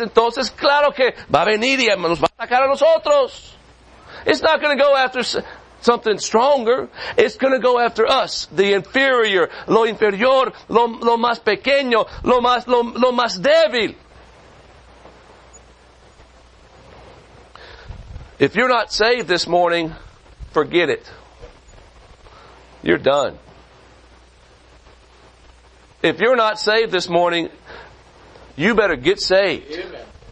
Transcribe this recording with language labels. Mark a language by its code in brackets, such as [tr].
[es] Entonces, claro que va a venir y nos va a atacar a nosotros. [en] It's not going to go after something stronger. It's going to go after us, the inferior. [es] Lo inferior, lo más pequeño, lo más débil. [en] If you're not saved this morning, forget it. You're done. If you're not saved this morning, you better get saved. Amen.